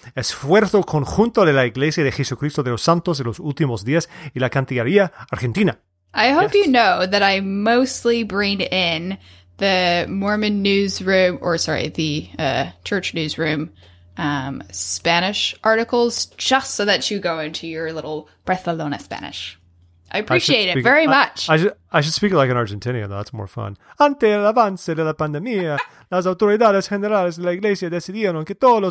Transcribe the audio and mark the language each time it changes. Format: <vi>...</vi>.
<es>Esfuerzo conjunto de la iglesia de Jesucristo de los Santos de los últimos días y la Cancillería Argentina.</es> <en>I hope you know that I mostly bring in the Mormon newsroom, or sorry, the church newsroom, Spanish articles, just so that you go into your little Barcelona Spanish. I appreciate it very much. I should speak like an Argentinian, though. That's more fun.</en> <es>Ante el avance de la pandemia, las autoridades generales de la iglesia decidieron que todos los...</es>